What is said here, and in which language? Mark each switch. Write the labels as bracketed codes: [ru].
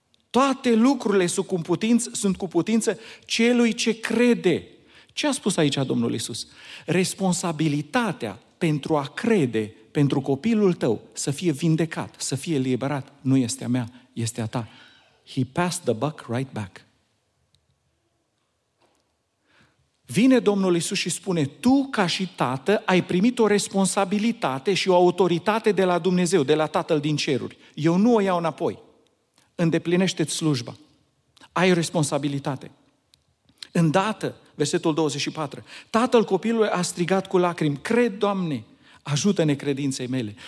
[ro] Toate lucrurile sunt cu putință celui ce crede. Ce a spus aici Domnul Iisus? Responsabilitatea pentru a crede pentru copilul tău să fie vindecat, să fie eliberat, nu este a mea, este a ta. [en] He passed the buck right back. [ro] Vine Domnul Iisus și spune, tu ca și tată ai primit o responsabilitate și o autoritate de la Dumnezeu, de la Tatăl din ceruri. Eu nu o iau înapoi. Îndeplinește-ți slujba. Ai o responsabilitate. Îndată, versetul 24, tatăl copilului a strigat cu lacrimi, cred, Doamne, ajută necredinței mele.